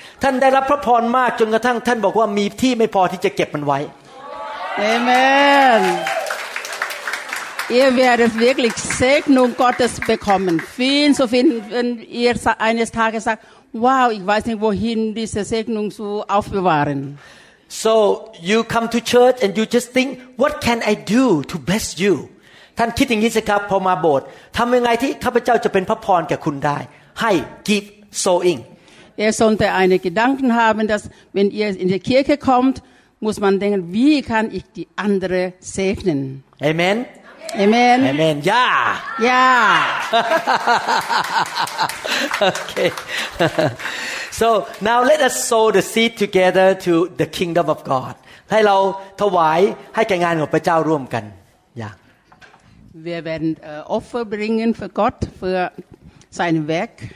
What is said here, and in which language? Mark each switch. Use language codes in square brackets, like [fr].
[th] ท่านได้รับพระพรมากจนกระทั่งท่านบอกว่ามีที่ไม่พอที่จะเก็บมันไว้ Amen. [de] Ihr werdet wirklich Segnung Gottes bekommen. Viel zu viel, wenn ihr eines Tages sagt, wow, ich weiß nicht, wohin diese Segnung zu aufbewahren. [en] So you come to church and you just think, what can I do to bless you? [th] ท่านคิดอย่างนี้สิครับพอมาโบสถ์ทำยังไงที่ข้าพเจ้าจะเป็นพระพรแก่คุณได้ [en] Hi, keep sowing. [de] Ihr solltet einen Gedanken haben, dass wenn ihr in die Kirche kommt, muss man denken, wie kann ich die andere segnen? Amen. Amen. Amen. Ja. Ja. [en] Okay. So now let us sow the seed together to the kingdom of God. [th] ให้เราถวายให้แก่งานของพระเจ้าร่วมกันอย่าง [de] Wir werden Opfer bringen für Gott fürSein Werk.